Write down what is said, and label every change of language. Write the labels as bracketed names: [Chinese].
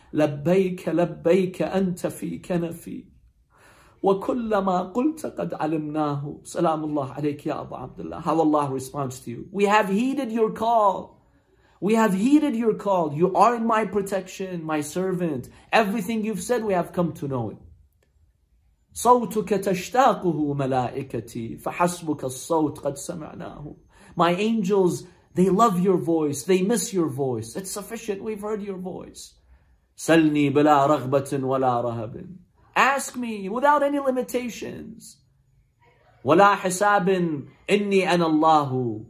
[Arabic] لَبَّيْكَ لَبَّيْكَ أَنْتَ فِي كَنَفِي وَكُلَّمَا قُلْتَ قَدْ عَلِمْنَاهُ. سَلَامُ اللَّهِ عَلَيْكَ يَا أَبَا عَبْدُ اللَّهِ. [English] How Allah responds to you. We have heeded your call. We have heeded your call. You are in my protection, my servant. Everything you've said, we have come to know it. [Arabic] صوتك تشتاقه ملائكتي فحسبك الصوت قد سمعناه. [English] My angels, they love your voice. They miss your voice. It's sufficient. We've heard your voice. [Arabic] سلني بلا رغبة ولا رهب. [English] Ask me without any limitations. [Arabic] ولا حساب إني أنا الله.